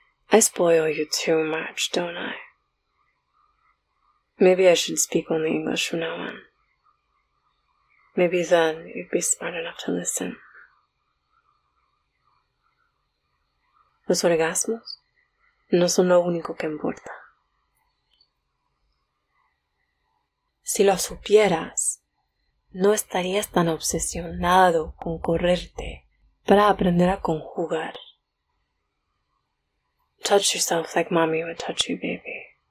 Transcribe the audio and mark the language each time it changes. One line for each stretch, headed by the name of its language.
English: I spoil you too much, don't I? Maybe I should speak only English from now on. Maybe then you'd be smart enough to listen.
Spanish: Los orgasmos no son lo único que importa. Si lo supieras, no estarías tan obsesionado con correrte para aprender a conjugar.
English: Touch yourself like mommy would touch you, baby.